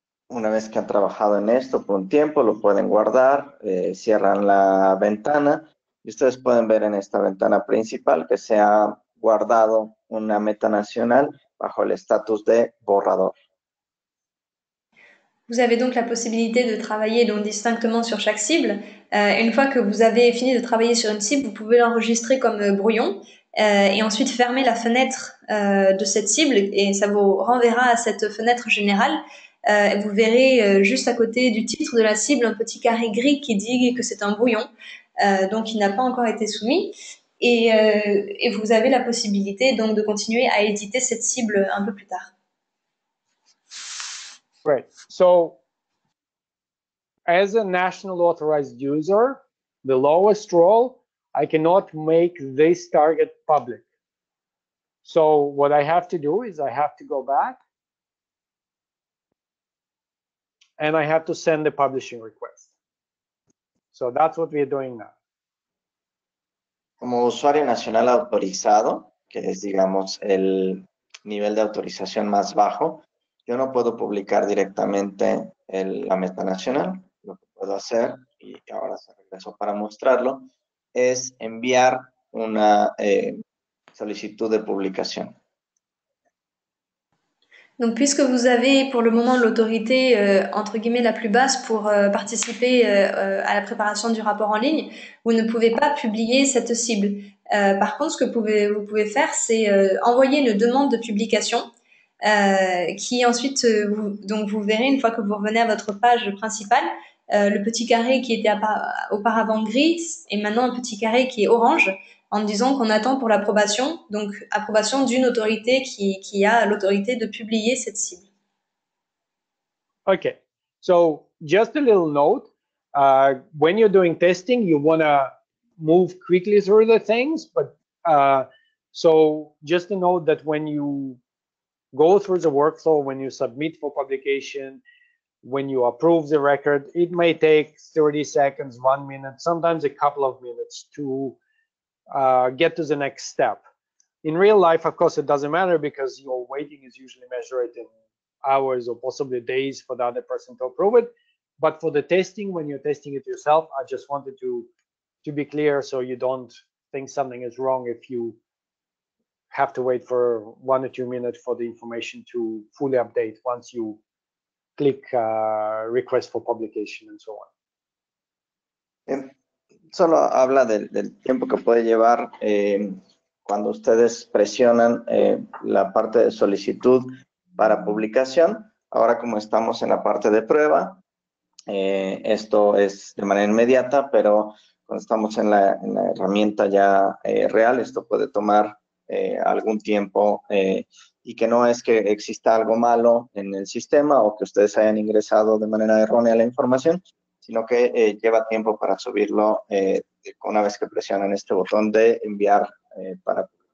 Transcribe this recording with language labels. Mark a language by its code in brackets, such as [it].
[es] Una vez que han trabajado en esto por un tiempo, lo pueden guardar, cierran la ventana y ustedes pueden ver en esta ventana principal que se ha guardado una meta nacional bajo el estatus de borrador. [fr] Vous avez donc la possibilité de travailler donc distinctement sur chaque cible. Une fois que vous avez fini de travailler sur une cible, vous pouvez l'enregistrer comme brouillon et ensuite fermer la fenêtre de cette cible et ça vous renverra à cette fenêtre générale. Vous verrez juste à côté du titre de la cible un petit carré gris qui dit que c'est un brouillon, donc il n'a pas encore été soumis. Et vous avez la possibilité donc de continuer à éditer cette cible un peu plus tard. Right. [en] So, as a national authorized user, the lowest role, I cannot make this target public. So, what I have to do is I have to go back and I have to send the publishing request. So, that's what we are doing now. [es] Como usuario nacional autorizado, que es, digamos, el nivel de autorización más bajo, yo no puedo publicar directamente la meta nacional. Lo que puedo hacer, y ahora se regresó para mostrarlo, es enviar una solicitud de publicación. [fr] Donc, puisque vous avez pour le moment l'autorité entre guillemets la plus basse pour participer à la préparation du rapport en ligne, vous ne pouvez pas publier cette cible. Par contre, ce que vous pouvez faire, c'est envoyer une demande de publication qui ensuite, donc vous verrez une fois que vous revenez à votre page principale, le petit carré qui était auparavant gris est maintenant un petit carré qui est orange, en disant qu'on attend pour l'approbation, donc approbation d'une autorité qui a l'autorité de publier cette cible. [en] Okay, so just a little note, when you're doing testing, you want to move quickly through the things, but so just a note that when you go through the workflow, when you submit for publication, when you approve the record, it may take 30 seconds, 1 minute, sometimes a couple of minutes to get to the next step. In real life, of course, it doesn't matter because your waiting is usually measured in hours or possibly days for the other person to approve it. But for the testing, when you're testing it yourself, I just wanted to be clear so you don't think something is wrong if you have to wait for 1 or 2 minutes for the information to fully update once you click request for publication and so on. [es] Solo habla del tiempo que puede llevar cuando ustedes presionan la parte de solicitud para publicación. Ahora, como estamos en la parte de prueba, esto es de manera inmediata, pero cuando estamos en la herramienta ya real, esto puede tomar algún tiempo y que no es que exista algo malo en el sistema o que ustedes hayan ingresado de manera errónea la información, sino que lleva tiempo para subirlo una vez que presionan este botón de enviar para